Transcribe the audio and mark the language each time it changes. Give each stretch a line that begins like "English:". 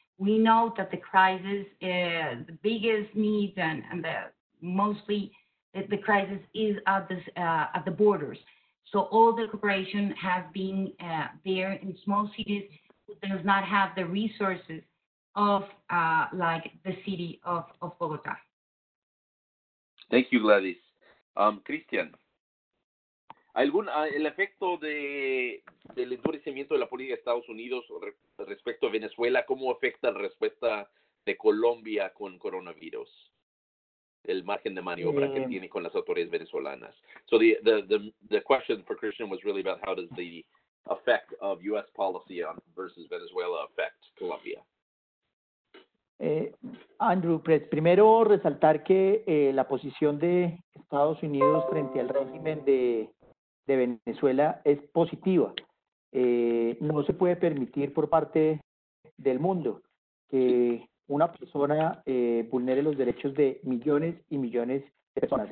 English: We know that the crisis, the biggest needs and the mostly the crisis is at the borders. So all the cooperation has been there in small cities who does not have the resources of like the city of Bogota. Thank you, Gladys. Cristian.
Spanish: ¿Algún el efecto del endurecimiento de la política de Estados Unidos respecto a Venezuela, cómo afecta la respuesta de Colombia con coronavirus? El margen de maniobra que tiene con las autoridades venezolanas.
English: So the question for Christian was really about how does the effect of U.S. policy on versus Venezuela affect Colombia?
Spanish: Andrew, primero resaltar que la posición de Estados Unidos frente al régimen de Venezuela es positiva. No se puede permitir por parte del mundo que una persona vulnere los derechos de millones y millones de personas.